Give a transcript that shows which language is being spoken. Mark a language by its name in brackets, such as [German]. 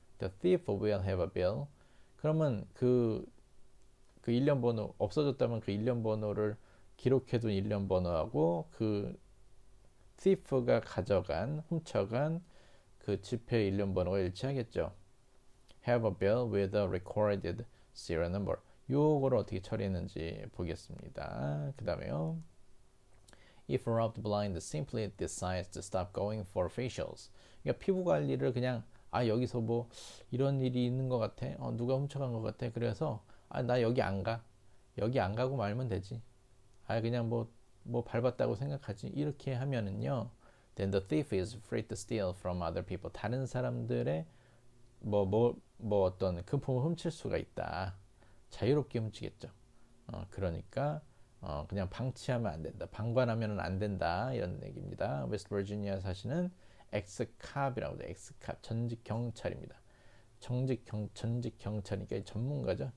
[English] The thief will have a bill. [Korean] 그러면 그 일련번호 없어졌다면 그 일련번호를 기록해둔 일련번호하고 그 thief가 가져간 훔쳐간 그 지폐 일련번호가 일치하겠죠. [English] Have a bill with a recorded serial number. [Korean] 요거를 어떻게 처리했는지 보겠습니다. 그 다음에요. [English] If robbed blind simply decides to stop going for facials. [Korean] 그러니까 피부 관리를 그냥, 아, 여기서 뭐 이런 일이 있는 것 같아. 누가 훔쳐간 것 같아. 그래서, 아, 나 여기 안 가. 여기 안 가고 말면 되지. 아, 그냥 뭐 밟았다고 생각하지. 이렇게 하면은요. [English] Then the thief is free to steal from other people. [Korean] 다른 사람들의 어떤 금품을 훔칠 수가 있다. 자유롭게 훔치겠죠. 그러니까 그냥 방치하면 안 된다. 방관하면 안 된다. 이런 얘기입니다. 웨스트 버지니아 사시는 엑스캅이라고 돼요. 엑스캅 전직 경찰입니다. 전직 경찰이니까 전문가죠.